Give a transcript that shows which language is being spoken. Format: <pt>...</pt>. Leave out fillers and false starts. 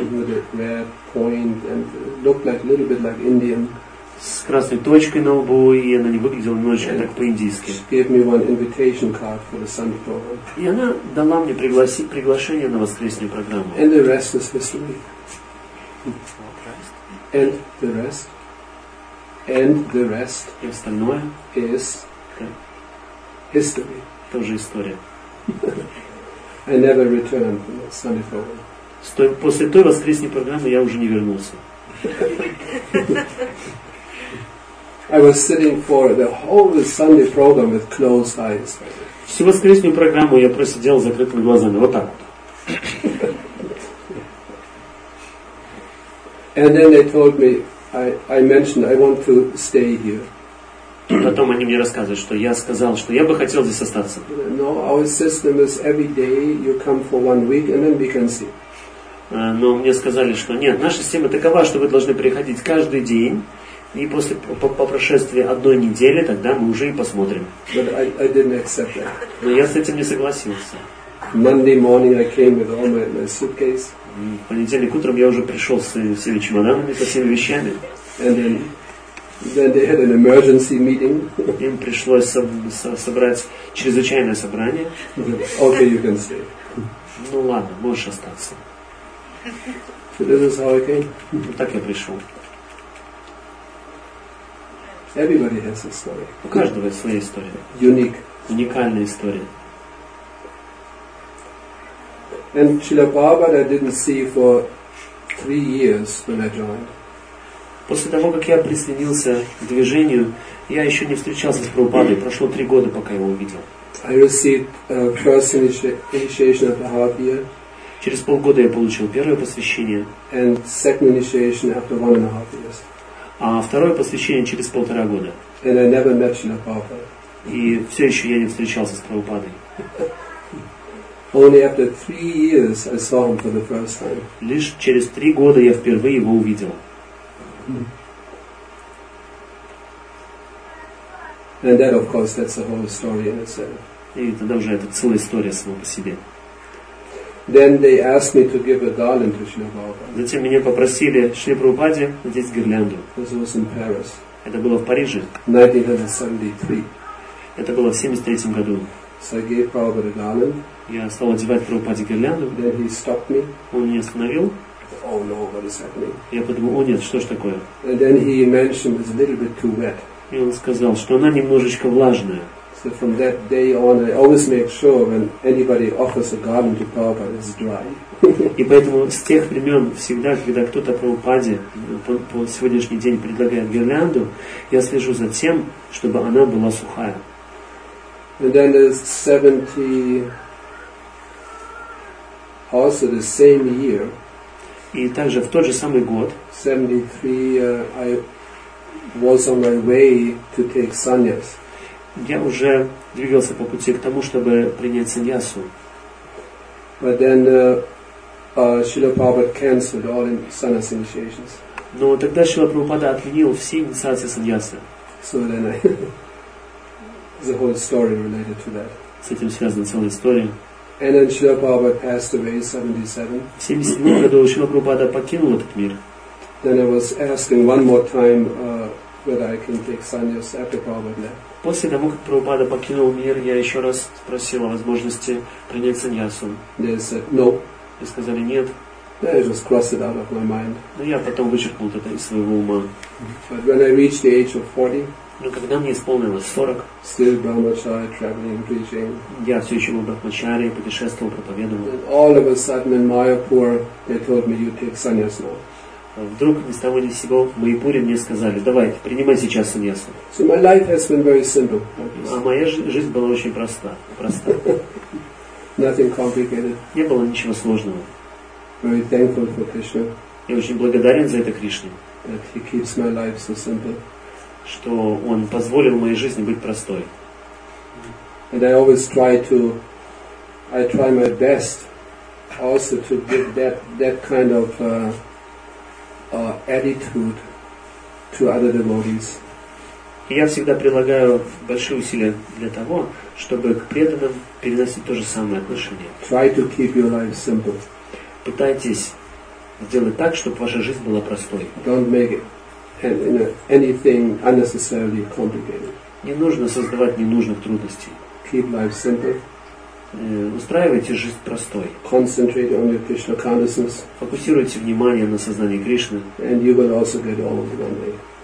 <en>With a red point and looked like a little bit like Indian.</en> <ru>С красной точкой на лбу, и она не выглядела немножечко так по-индийски.</ru> <en>She gave me one invitation card for the Sunday program.</en> <ru>И она дала мне приглашение на воскресную программу.</ru> <en>And the rest is history. And the rest. And the rest.</en> <ru>И остальное.</ru> <en>Is history.</en> <ru>Тоже история.</ru> <en>I never returned from the Sunday program.</en> <ru>После той воскресной программы я уже не вернулся.</ru> <en>I was sitting for the whole Sunday program with closed eyes.</en> <ru>Всю воскресную программу я просидел с закрытыми глазами, вот так вот.</ru> <en>And then they told me, I mentioned I want to stay here.</en> <ru>Потом они мне рассказывают, что я сказал, что я бы хотел здесь остаться.</ru> <en>No, our system is every day you come for 1 week and then we can see.</en> <ru>Но мне сказали, что нет, наша система такова, что вы должны приходить каждый день. И после по прошествии одной недели, тогда мы уже и посмотрим.</ru> <en>But I didn't accept that.</en> <ru>Но я с этим не согласился.</ru> <en>Monday morning I came with all my suitcase.</en> <ru>В понедельник утром я уже пришел с всеми чемоданами, со всеми вещами.</ru> <en>And then they had an emergency meeting.</en> <ru>Им пришлось собрать чрезвычайное собрание.</ru> <en>Okay, you can stay.</en> <ru>Ну ладно, можешь остаться.</ru> <en>So this is how I came.</en> <ru>Вот так я пришел.</ru> <en>Everybody has a story.</en> <ru>У каждого своя история.</ru> <en>Unique.</en> <ru>Уникальная история.</ru> <en>And Srila Prabhupada I didn't see for 3 years when I joined.</en> <ru>После того, как я присоединился к движению, я еще не встречался с Прабхупадой. Прошло 3 года, пока я его увидел.</ru> <en>I received first initiation of the half year.</en> <ru>Через полгода я получил первое посвящение.</ru> <en>And second initiation after 1.5 years.</en> <ru>А второе посвящение через 1.5 года.</ru> <en>And I never met Srila Prabhupada.</en> <ru>И все еще я не встречался с Прабхупадой.</ru> <en>Only after 3 years I saw him for the first time.</en> <ru>Лишь через 3 года я впервые его увидел.</ru> <en>And that, of course, that's a whole story in itself.</en> <ru>И тогда уже это целая история сама по себе.</ru> <en>Then they asked me to give a garland to Srila Prabhupada.</en> <ru>Затем меня попросили Шри Прабхупаде надеть гирлянду.</ru> <en>This was in Paris.</en> <ru>Это было в Париже.</ru> <en>1973.</en> <ru>Это было в 73 году.</ru> <en>So I gave Prabhupada a garland.</en> <ru>Я стал одевать Прабхупаде гирлянду.</ru> <en>Then he stopped me.</en> <ru>Он меня остановил.</ru> <en>Oh no, what is happening?</en> <ru>Я подумал, о нет, что ж такое?</ru> <en>And then he mentioned it's a little bit too wet.</en> <ru>И он сказал, что она немножечко влажная.</ru> <en>So from that day on, I always make sure when anybody offers a garland to Prabhupada, it's dry.</en> <ru>И поэтому с тех времен всегда, когда кто-то Прабхупаде по сегодняшний день предлагает гирлянду, я слежу за тем, чтобы она была сухая.</ru> <en>And then there's 70. Also the same year.</en> <ru>И также в тот же самый год.</ru> <en>73. I was on my way to take sannyas.</en> <ru>Я уже двигался по пути к тому, чтобы принять саньясу.</ru> <en>But then Srila Prabhupada cancelled all the sannyas initiations.</en> <ru>Но тогда Шрила Прабхупада отменил все инициации саньясы.</ru> <en>So then the whole story related to that.</en> <ru>С этим связана целая история.</ru> <en>And then Srila Prabhupada passed away in 77.</en> <ru>В 77 году Шрила Прабхупада покинул этот мир.</ru> <en>Then I was asking one more time whether I can take sannyas after Prabhupada.</en> <ru>После того, как Прабхупада покинул мир, я еще раз спросил о возможности принять саньясу.</ru> <en>They said no.</en> <ru>И сказали нет.</ru> <en>I just crossed it out of my mind.</en> <ru>Но я потом вычеркнул это из своего ума.</ru> <en>But when I reached the age of 40,</en> <ru>но когда мне исполнилось 40,</ru> <en>still Brahmachari, traveling, preaching.</en> <ru>Я все еще был Брахмачари, путешествовал, проповедовал.</ru> <en>And all of a sudden in Mayapur, they told me, you take sannyas now.</en> <ru>Вдруг ни с того ни с сего в Майпуре мне сказали: давай, принимай сейчас саньясу.</ru> <en>So my life has been very simple.</en> <ru>А моя жизнь была очень проста.</ru> <en>Nothing complicated.</en> <ru>Не было ничего сложного.</ru> <en>Very thankful for Krishna.</en> <ru>Я очень благодарен за это Кришне.</ru> <en>That he keeps my life so simple.</en> <ru>Что он позволил моей жизни быть простой.</ru> <en>And I always try to, I try my best also to give that kind of attitude to other devotees.</en> <ru>Я всегда прилагаю большие усилия для того, чтобы к преданным переносить то же самое отношение.</ru> <en>Try to keep your life simple.</en> <ru>Пытайтесь сделать так, чтобы ваша жизнь была простой.</ru> <en>Don't make anything unnecessarily complicated.</en> <ru>Не нужно создавать ненужных трудностей.</ru> <en>Keep life simple.</en> <ru>Устраивайте жизнь простой.</ru> <en>Concentrate on your Krishna consciousness.</en> <ru>Фокусируйте внимание на сознании Кришны.</ru> <en>And you will also get old one day.</en>